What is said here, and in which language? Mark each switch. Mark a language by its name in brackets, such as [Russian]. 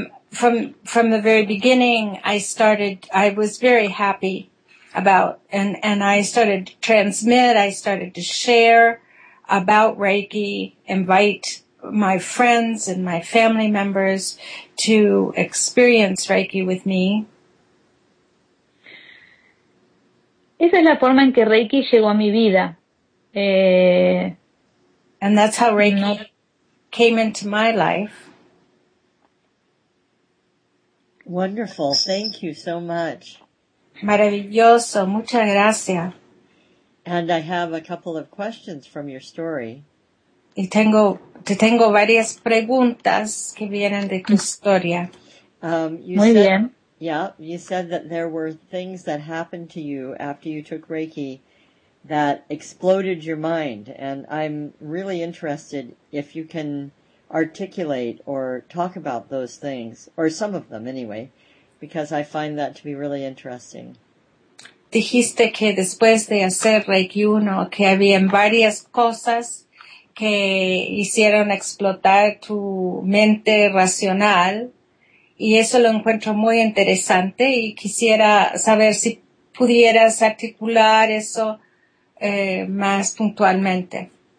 [English] From the very beginning, I was very happy about, and I started to transmit, I started to share about Reiki, invite my friends and my family members to experience Reiki with me. [Spanish] Esa es la forma en que Reiki llegó a mi vida. [English] And that's how Reiki came into my life. Wonderful. Thank you so much. [Spanish] Maravilloso. Muchas gracias. [English] And I have a couple of questions from your story. [Spanish] Y tengo varias preguntas que vienen de tu historia. Muy bien. [English] Yeah, you said that there were things that happened to you after you took Reiki that exploded your mind. And I'm really interested if you can articulate or talk about those things, or some of them anyway, because I find that to be really interesting. [Spanish] Dijiste que después de hacer Reiki uno, que habían varias cosas que hicieron explotar tu mente racional. Y eso lo encuentro muy interesante y quisiera saber si pudieras articular eso más puntualmente.